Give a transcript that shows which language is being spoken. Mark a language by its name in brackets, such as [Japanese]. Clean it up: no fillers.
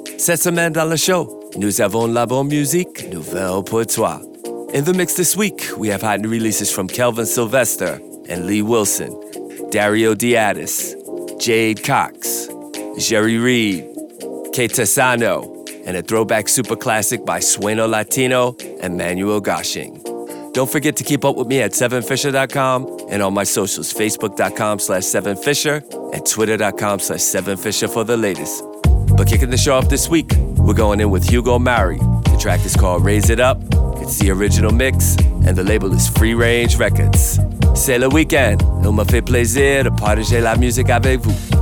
[French] Cette semaine dans le show, nous avons la bonne musique nouvelle pour toi. [English] In the mix this week, we have hot new releases from Kelvin Sylvester and Lee Wilson, Dario Diadis, Jade Cox, Jerry Reed, Keita Sano, and a throwback super classic by Sueno Latino and Manuel Gashing. Don't forget to keep up with me at 7fisher.com and on my socials, facebook.com/7fisher and twitter.com/7fisher for the latest. But kicking the show off this week, we're going in with Hugo Mauri. The track is called Raise It Up. It's the original mix, and the label is Free Range Records. [French] C'est le weekend. Il me fait plaisir de partager la musique avec vous.